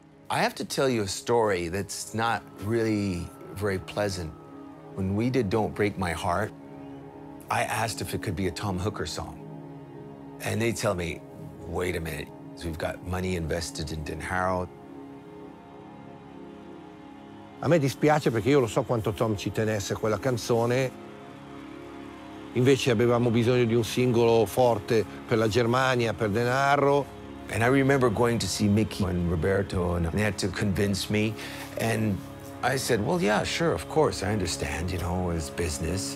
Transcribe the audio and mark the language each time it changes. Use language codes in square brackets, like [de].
[en] I have to tell you a story that's not really very pleasant. When we did Don't Break My Heart, I asked if it could be a Tom Hooker song. And they tell me, wait a minute, we've got money invested in Den Harrow. [it] A me dispiace perché io lo so quanto Tom ci tenesse quella canzone. Invece avevamo bisogno di un singolo forte per la Germania, per Den Harrow. [en] And I remember going to see Mickey and Roberto, and they had to convince me. And I said, well, yeah, sure, of course, I understand, you know, it's business.